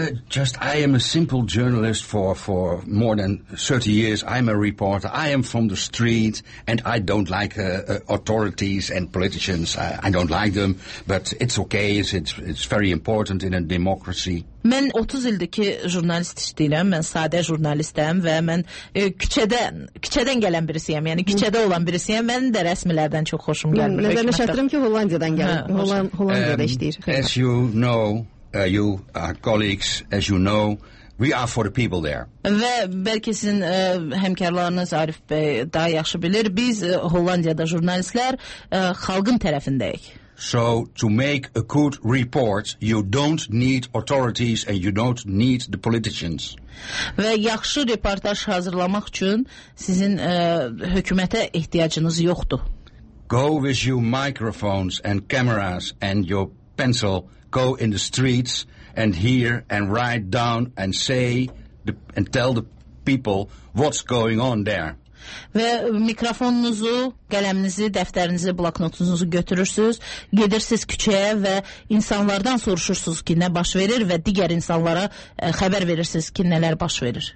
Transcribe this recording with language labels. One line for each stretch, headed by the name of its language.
English: Just I am a simple journalist for more than 30 years. I'm a reporter. I am from the street and I don't like authorities and politicians. I don't like them, but it's okay. It's very important in a democracy.
Azerbaijani: Mən 30 ildir ki jurnalist işləyirəm, mən sadə jurnalistəm və mən küçədən gələn birisiyəm, yəni küçədə olan birisiyəm, mənim də rəsmilərdən çox xoşum gəlmir. Nəzərinə çatdırım ki, Hollandiyadan gəlir, Hollandiyada işləyir.
English: As you know, you colleagues, as you know, we are for the people there.
Azerbaijani: Və bəlkə sizin həmkarlarınız Arif bəy daha yaxşı bilir, biz Hollandiyada jurnalistlər xalqın tərəfindəyik.
English: So to make a good report you don't need authorities and you don't need the politicians.
Azerbaijani: Və yaxşı reportaj hazırlamaq üçün sizin hökumətə ehtiyacınız yoxdur.
English: Go with your microphones and cameras and your pencil, go in the streets and hear and write down and say the, and tell the people what's going on there.
Azerbaijani: Və mikrofonunuzu, qələminizi, dəftərinizi, bloknotunuzu götürürsünüz, gedirsiniz küçəyə və insanlardan soruşursunuz ki, nə baş verir və digər insanlara xəbər verirsiniz ki, nələr baş verir.